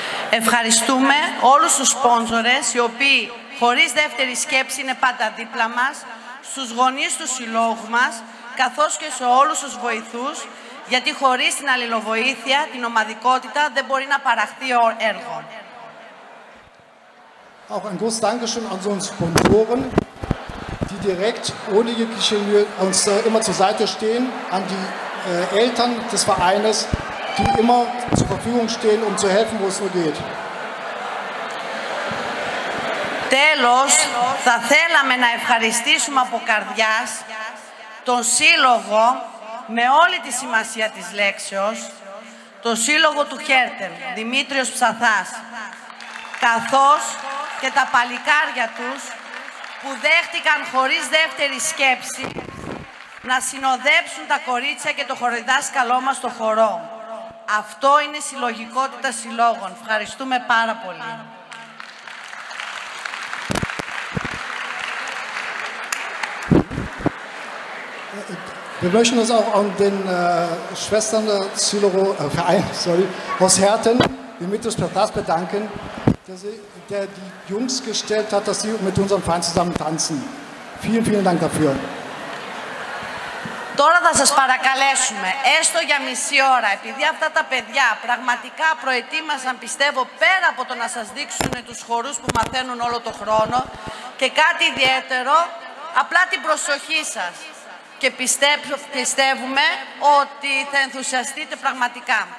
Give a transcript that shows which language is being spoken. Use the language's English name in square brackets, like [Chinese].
[Greek] Ευχαριστούμε όλους τους σπόνσορες, οι οποίοι χωρίς δεύτερη σκέψη είναι πάντα δίπλα μας, στους γονείς του συλλόγου μας, καθώς και σε όλους τους βοηθούς, γιατί χωρίς την αλληλοβοήθεια, την ομαδικότητα, δεν μπορεί να παραχθεί έργο. [German] Auch ein großes Dankeschön an unsere Sponsoren, die direkt ohne jegliche Mühe uns immer zur Seite stehen, an die Eltern des Vereines, die immer zur Verfügung stehen, um zu helfen, wo es nur geht. [Greek] Τέλος, θα θέλαμε να ευχαριστήσουμε από καρδιάς τον Σύλλογο, με όλη τη σημασία της λέξεως, τον Σύλλογο του Χέρτελ, Δημήτριος Ψαθάς, καθώς και τα παλικάρια τους, που δέχτηκαν χωρίς δεύτερη σκέψη να συνοδέψουν τα κορίτσια και το χοροδιδάσκαλό μας στο χορό. Αυτό είναι συλλογικότητα συλλόγων. Ευχαριστούμε πάρα πολύ. [German] Wir möchten uns auch an den Schwestern der Sylogo, Verein, sorry, aus Herten, Dimitris Pertas, bedanken, der die Jungs gestellt hat, dass sie mit unserem Verein zusammen tanzen. Vielen, vielen Dank dafür. [Greek] Τώρα θα σας παρακαλέσουμε, έστω για μισή ώρα, επειδή αυτά τα παιδιά πραγματικά προετοίμασαν, πιστεύω, πέρα από το να σας δείξουν τους χορούς που μαθαίνουν όλο το χρόνο και κάτι ιδιαίτερο, απλά την προσοχή σας. Και πιστεύουμε ότι θα ενθουσιαστείτε πραγματικά.